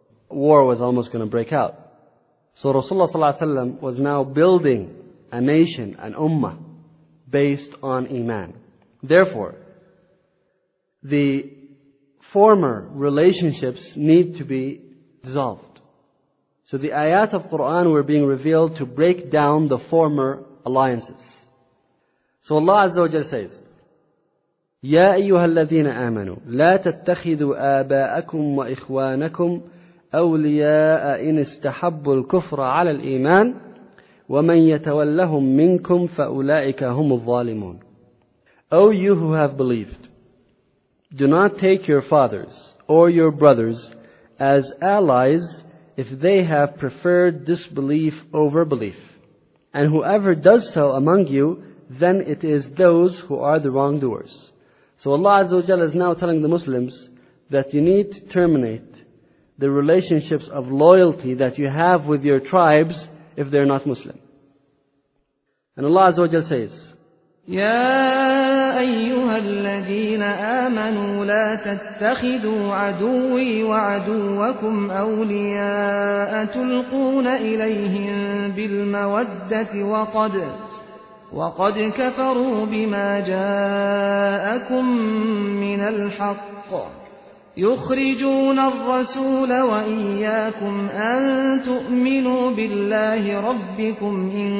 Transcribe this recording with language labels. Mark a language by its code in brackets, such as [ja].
[en] War was almost going to break out. So Rasulullah ﷺ was now building a nation, an ummah, based on iman. Therefore, the former relationships need to be dissolved. So the ayat of Quran were being revealed to break down the former alliances. So Allah Azza wa Jalla says, [ar] يَا أَيُّهَا الَّذِينَ آمَنُوا لَا تَتَّخِذُوا آبَاءَكُمْ وَإِخْوَانَكُمْ أَوْلِيَاءَ إِنِ اسْتَحَبُّوا الْكُفْرَ عَلَى الْإِيمَانِ وَمَنْ يَتَوَلَّهُمْ مِنْكُمْ فَأُولَٰئِكَ هُمُ الظَّالِمُونَ. [en] O you who have believed, do not take your fathers or your brothers as allies if they have preferred disbelief over belief. And whoever does so among you, then it is those who are the wrongdoers. So Allah Azza wa Jalla is now telling the Muslims that you need to terminate the relationships of loyalty that you have with your tribes if they're not Muslim. And Allah Azza wa Jalla says, [ar] يا أيها الذين آمنوا لا تتخذوا عدوي وعدوكم أولياء تلقون إليهم بالمودة وقد كفروا بما جاءكم من الحق يخرجون الرسول وإياكم أن تؤمنوا بالله ربكم